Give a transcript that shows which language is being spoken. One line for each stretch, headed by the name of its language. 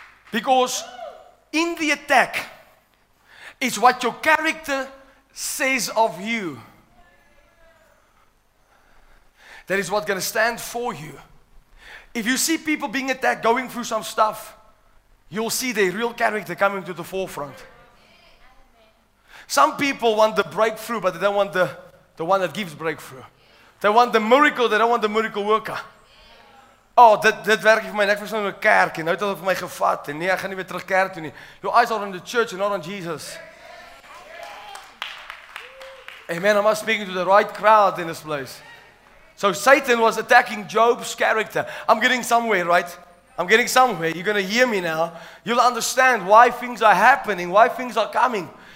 English: Because in the attack, it's what your character says of you that is what's going to stand for you. If you see people being attacked, going through some stuff, you'll see their real character coming to the forefront. Some people want the breakthrough, but they don't want the one that gives breakthrough. They want the miracle, they don't want the miracle worker.
Afrikaans: Oh, dit werk vir my, ek was nou in 'n kerk en nou het hulle vir my gevat en nee, ek gaan nie weer terug kerk toe nie.
English: Your eyes are on the church and not on Jesus. Amen, I'm not speaking to the right crowd in this place. So Satan was attacking Job's character. I'm getting somewhere, right? I'm getting somewhere. You're going to hear me now. You'll understand why things are happening, why things are coming.